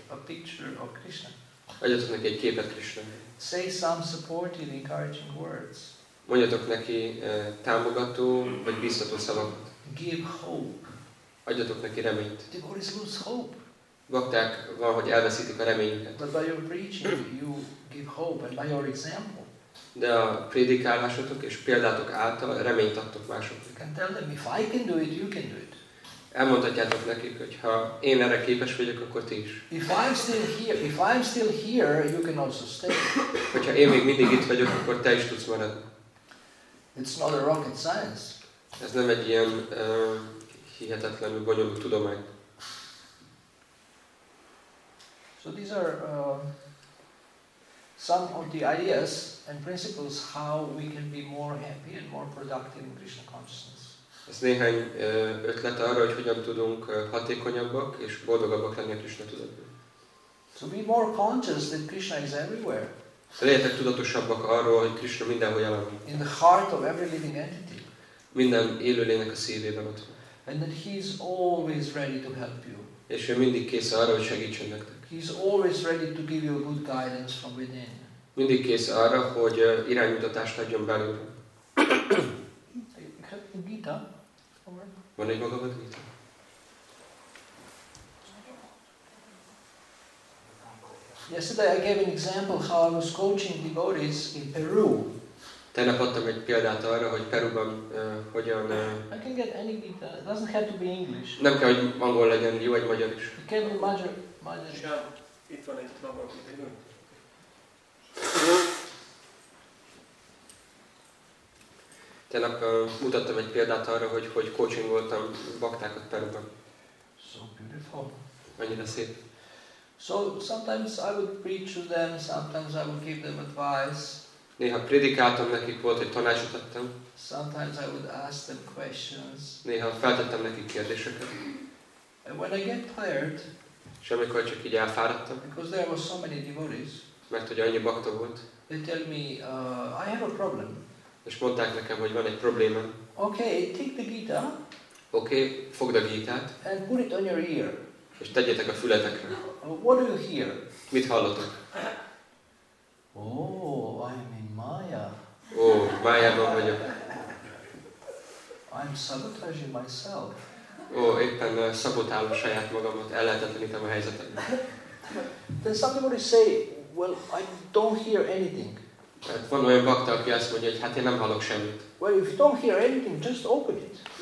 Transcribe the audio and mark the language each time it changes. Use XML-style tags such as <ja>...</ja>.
<en>A picture of Krishna.</en> <hu>Adjatok neki egy képet Krishna.</hu> <en>Say some supportive, encouraging words.</en> <hu>Mondjatok neki támogató vagy biztató szavakat.</hu> <en>Give hope.</en> <hu>Adjatok neki reményt.</hu> <en>Devotees lose hope.</en> <hu>Bakták van, hogy elveszítik a reményüket.</hu> <en>But by your preaching, you give hope, and by your example.</en> <hu>De a prédikálásotok és példátok által reményt adtok másoknak.</hu> <en>And tell them if I can do it, you can do it.</en> <hu>Elmondhatjátok nekik, hogy ha én erre képes vagyok, akkor ti is.</hu> <en>If I'm still here, you can also stay.</en> <hu>Hogyha én még mindig itt vagyok, akkor te is tudsz maradni.</hu> <en>It's not a rocket science.</en> <hu>Ez nem egy ilyen hihetetlenül bonyolult tudomány.</hu> <en>So these are some of the ideas and principles how we can be more happy and more productive in Krishna consciousness.</en> <hu>Ez néhány ötlet arra, hogy hogyan tudunk hatékonyabbak és boldogabbak lenni a Krishna tudatban.</hu> <en>So be more conscious that Krishna is everywhere.</en> <hu>Legyetek tudatosabbak arról, hogy Krishna mindenhol jelen van.</hu> <en>In the heart of every living entity.</en> <hu>Minden élőlénynek a szívében ott.</hu> <en>And that he is always ready to help you.</en> <hu>És ő mindig kész arra, hogy segítsen nektek.</hu> <en>He is always ready to give you good guidance from within.</en> <hu>Mindig kész arra, hogy iránymutatást adjon belőle.</hu> <en>Gita?</en> <hu>Van egy magabat, Gita?</hu> <en>Yesterday I gave an example how I was coaching devotees in Peru.</en> <hu>Tegnap adtam egy példát arra, hogy Peruban hogyan...</hu> <en>I can get any Gita. It doesn't have to be English.</en> <hu>Nem kell, hogy angol legyen, jó egy magyar is.</hu> <en>It can be magyar.</en> <hu>Itt van egy magyar. Tegnap mutattam egy példát arra, hogy hogy coachingoltam baktákat Peruban.</hu> <en>So beautiful.</en> <hu>Annyira szép.</hu> <en>So sometimes I would preach to them, sometimes I would give them advice.</en> <hu>Néha prédikáltam nekik, volt egy tanácsot adtam.</hu> <en>Sometimes I would ask them questions.</en> <hu>Néha feltettem nekik kérdéseket.</hu> <en>And when I get tired.</en> <hu>És amikor csak így elfáradtam.</hu> <en>Because there were so many devotees.</en> <hu>Mert hogy annyi bakta volt.</hu> <en>They tell me, I have a problem.</en> <hu>És mondták nekem, hogy van egy probléma.</hu> <en>Okay, take the Gita.</en> <hu>Okay, fogd a Gitát.</hu> <en>And put it on your ear.</en> <hu>És tegyétek a fületekre.</hu> <en>What do you hear?</en> <hu>Mit hallotok?</hu> <en>Oh, I'm in Maya.</en> <hu>Oh, Mayában vagyok.</hu> <en>I'm sabotaging myself.</en> <hu>éppen szabotálom saját magamat, ellehetetlenítem a helyzetet.</hu> <en>Then somebody say, well, I don't hear anything.</en> <hu>Hát van olyan bakta, aki azt mondja, hogy hát én nem hallok semmit.</hu> <en>Well, if you don't hear anything, just open it.</en>